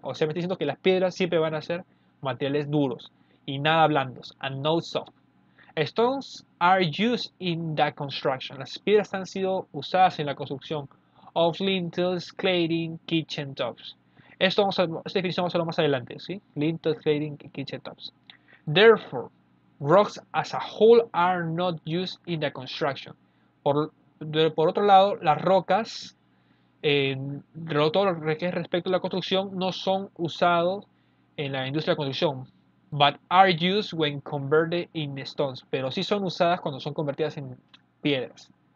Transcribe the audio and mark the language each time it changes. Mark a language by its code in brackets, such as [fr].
[es] O sea, me estoy diciendo que las piedras siempre van a ser materiales duros y nada blandos, [en] and no soft. Stones are used in the construction. [es] Las piedras han sido usadas en la construcción. [en] Of lintels, cladding, kitchen tops. [es] Esto vamos a, esta definición vamos a hablar más adelante, ¿sí? [en] Lintels, cladding, kitchen tops. Therefore, rocks as a whole are not used in the construction. [es] Por otro lado, las rocas, todo lo que es respecto a la construcción, no son usados en la industria de construcción. [en] But are used when converted in stones. [es] Pero sí son usadas cuando son convertidas en piedras.